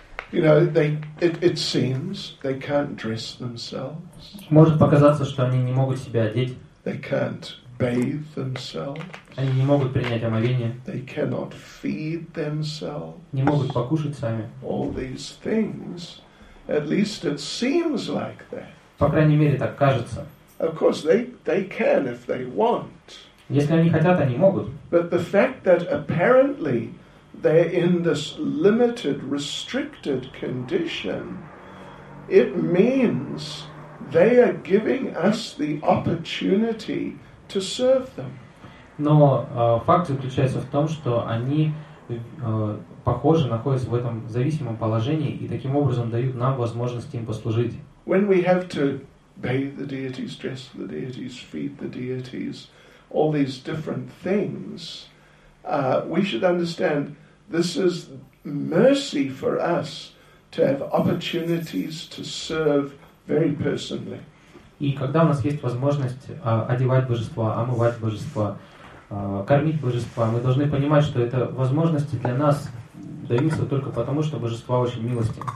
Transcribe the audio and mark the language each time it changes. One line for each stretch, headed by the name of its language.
English: You know, it seems they can't dress themselves.
Russian: Может показаться, что они не могут себя одеть.
English: They can't bathe themselves.
Russian: Они не могут принять омовение.
English: They cannot feed themselves.
Russian: Не могут покушать сами.
English: All these things. At least it seems like that.
Russian: По крайней мере, так кажется.
English: Of course, they can if they want.
Russian: Если они хотят, они могут.
English: But the fact that apparently they're in this limited, restricted condition, it means they are giving us the opportunity to serve them.
Russian: Но факт заключается в том, что они похоже, находятся в этом зависимом положении и таким образом дают нам возможность им послужить.
English: When we have to bathe the deities, dress the deities, feed the deities, all these different things, we should understand this is mercy for us to have opportunities to serve very personally.
Russian: И когда у нас есть возможность одевать божества, омывать божества, кормить божества, мы должны понимать, что это возможности для нас даются только потому, что божества очень милостивы.